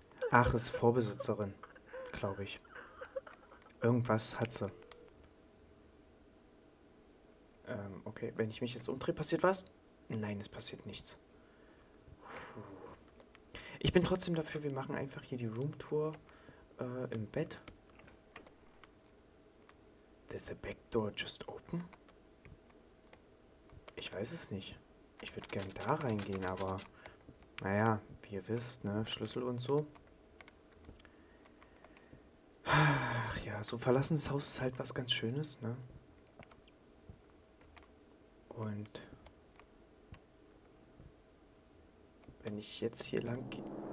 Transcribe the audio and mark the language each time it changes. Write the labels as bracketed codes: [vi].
[de] Ach, ist Vorbesitzerin, glaube ich. Irgendwas hat sie. Okay, wenn ich mich jetzt umdrehe, passiert was? Nein, es passiert nichts. Ich bin trotzdem dafür, wir machen einfach hier die Roomtour im Bett. [en] Did the back door just open? [de] Ich weiß es nicht. Ich würde gern da reingehen, aber naja, wie ihr wisst, ne, Schlüssel und so. Ach ja, so verlassenes Haus ist halt was ganz Schönes, ne? Und wenn ich jetzt hier lang gehe.